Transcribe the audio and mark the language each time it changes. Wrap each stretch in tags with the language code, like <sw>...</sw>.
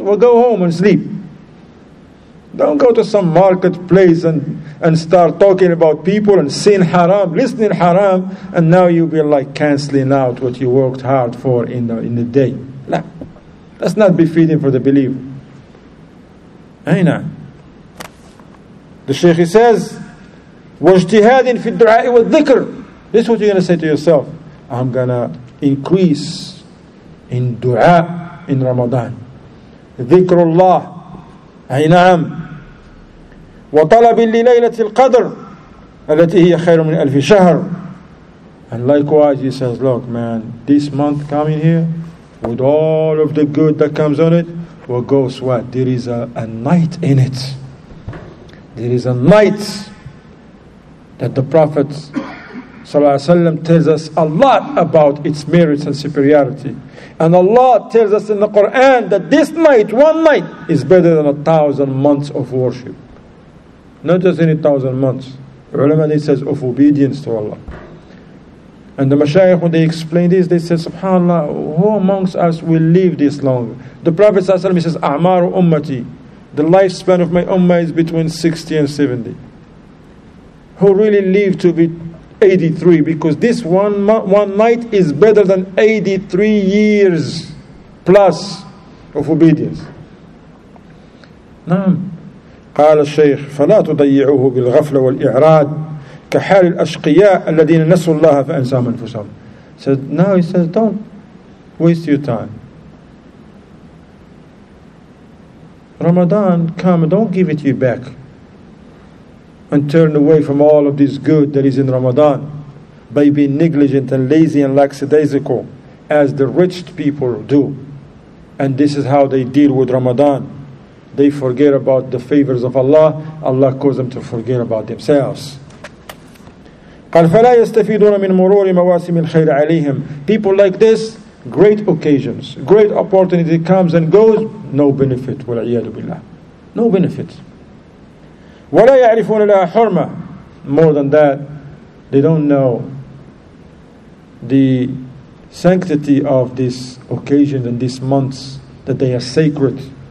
<en>Well, go home and sleep. Don't go to some marketplace and start talking about people and seeing haram, listening haram, and now you'll be like canceling out what you worked hard for in the day. No. That's not befitting for the believer.</en> <ar>Aina.</ar> <en>The Shaykh says,</en> <ar>وَاجْتِهَادٍ فِي الدُّعَاءِ وَالذِّكْرِ.</ar> <en>This is what you're going to say to yourself. I'm going to increase in dua in Ramadan.</en> <ar>Dhikrullah. Aina'am. وطلب لليلة القدر التي هي خير من ألف شهر.</ar> <en>And likewise he says, look man, this month coming here with all of the good that comes on it, well goes what? There is a night in it. There is a night that the Prophet tells us a lot about its merits and superiority. And Allah tells us in the Quran that this night, one night, is better than 1,000 months of worship. Not just any 1,000 months. Ulama, it says of obedience to Allah. And the mashayikh, when they explain this, they say, subhanAllah, who amongst us will live this long? The Prophet says,</en> <ar>A'maru ummati.</ar> <en>The lifespan of my ummah is between 60 and 70. Who really lived to be 83? Because this one night is better than 83 years plus of obedience.</en> <ar>Naam. قال الشيخ فلا تضيعوه بالغفلة والإعراض كحال الأشقياء الذين نسوا الله فأنساهم أنفسهم.</ar> <en>Said now he says don't waste your time. Ramadan come, don't give it you back and turn away from all of this good that is in Ramadan by being negligent and lazy and lackadaisical as the rich people do, and this is how they deal with Ramadan. They forget about the favors of Allah. Allah causes them to forget about themselves.</en> <ar>قال فلا يستفيدون من مرور مواسم الخير عليهم.</ar> <en>People like this, great occasions, great opportunity comes and goes, no benefit.</en> <ar>والعياذ بالله.</ar> <en>No benefit.</en> <ar>ولا يعرفون لها حرمة.</ar> <en>More than that, they don't know the sanctity of this occasion and these months, that they are sacred.</en>